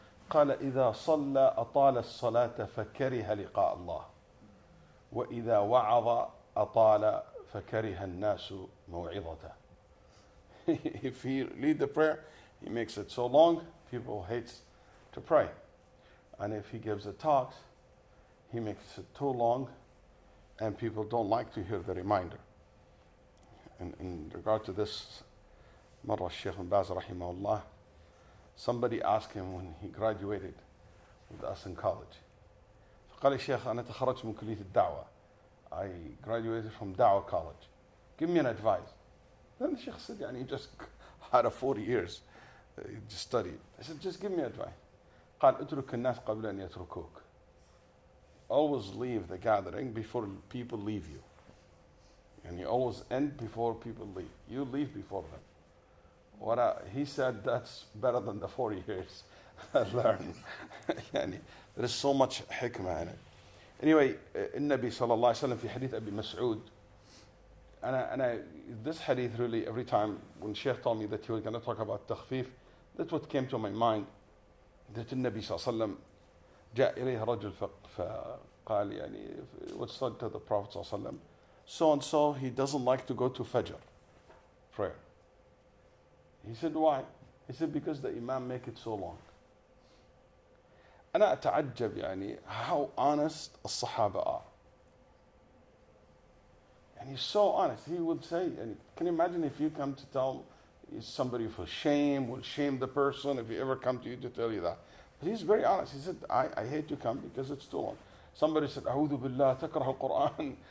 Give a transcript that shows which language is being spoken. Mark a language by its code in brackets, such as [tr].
[ar] قال إذا صلى أطال الصلاة فكره لقاء الله وإذا وعظ أطال فكره الناس موعظته. [en] If he lead the prayer, he makes it so long, people hate to pray. And if he gives the talks, he makes it too long, and people don't like to hear the reminder. And in regard to this, [ar] مرة الشيخ بن باز رحمه الله, [en] somebody asked him when he graduated with us in college. [ar] فقال الشيخ أنا تخرجت من كلية الدعوة. [en] I graduated from Dawah College. Give me an advice. Then the Sheikh said, يعني, he just had a 40 years to study. I said, just give me advice. [ar] قال, اترك الناس قبل أن يتركوك. [en] Always leave the gathering before people leave you. And you always end before people leave. You leave before them. What he said, that's better than the 40 years I learned. يعني, there is so much hikmah in it. Anyway, [ar] النبي صلى الله عليه وسلم في حديث أبي مسعود, [en] أنا this hadith really, every time when Sheikh told me that he was going to talk about تخفيف, that's what came to my mind, that [ar] النبي صلى الله عليه وسلم جاء إليه رجل فقال يعني, [en] what said to the Prophet صلى الله عليه وسلم, so and so, he doesn't like to go to Fajr prayer. He said, why? He said, because the Imam make it so long. [ar] أنا أتعجب يعني [en] how honest [ar] الصحابة are. [en] And he's so honest. He would say, and can you imagine if you come to tell somebody for shame, will shame the person if he ever come to you to tell you that. But he's very honest. He said, I hate to come because it's too long. [ar] Somebody said, أعوذ بالله تكره القرآن.